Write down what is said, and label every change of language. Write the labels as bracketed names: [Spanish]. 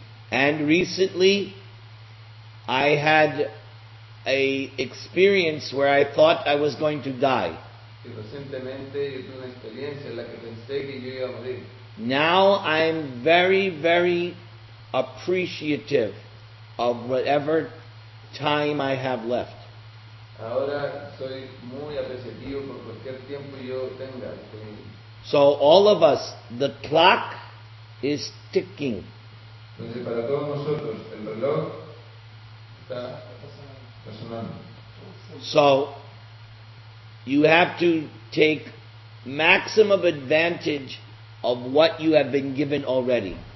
[English] and recently I had a experience where I thought I was going to die. [Spanish] Recientemente yo tuve una experiencia en la que pensé que yo iba a morir. [English] Now I'm very, very appreciative of whatever time I have left. [Spanish] Ahora soy muy apreciativo por cualquier tiempo yo tenga. [English] So all of us, the clock is ticking. [Spanish] Entonces para todos nosotros el reloj está. [English] So, you have to take maximum advantage of what you have been given already.